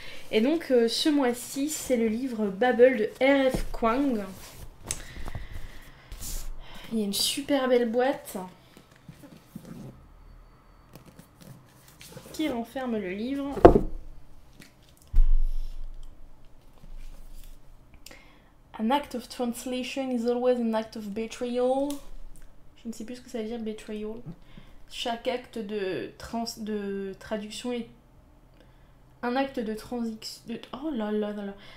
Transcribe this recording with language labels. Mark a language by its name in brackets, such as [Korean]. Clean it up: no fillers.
[French] Et donc ce mois-ci, c'est le livre Babel de R.F. Kuang. Il y a une super belle boîte qui renferme le livre. [English] An act of translation is always an act of betrayal. [French] Je ne sais plus ce que ça veut dire, betrayal. Chaque acte de traduction est un acte de transition. Oh là là là là.